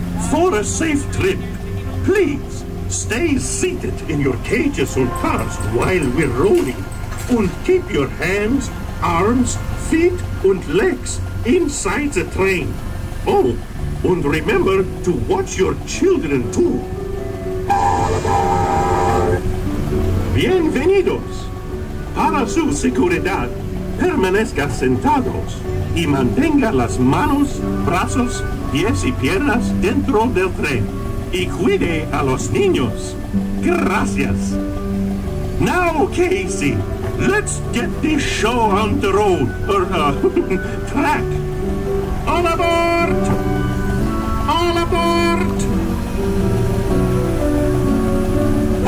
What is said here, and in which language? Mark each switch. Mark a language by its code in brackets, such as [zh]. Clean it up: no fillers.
[en] For a safe trip, please stay seated in your cages or cars while we're rolling, and keep your hands, arms, feet, and legs inside the train. Oh, and remember to watch your children too. All aboard! [es] Bienvenidos! Para su seguridad, permanezca sentados y mantenga las manos, brazos, pies y piernas dentro del tren. Y cuide a los niños. Gracias. [en] Now, Casey, let's get this show on the road, track. All aboard! All aboard!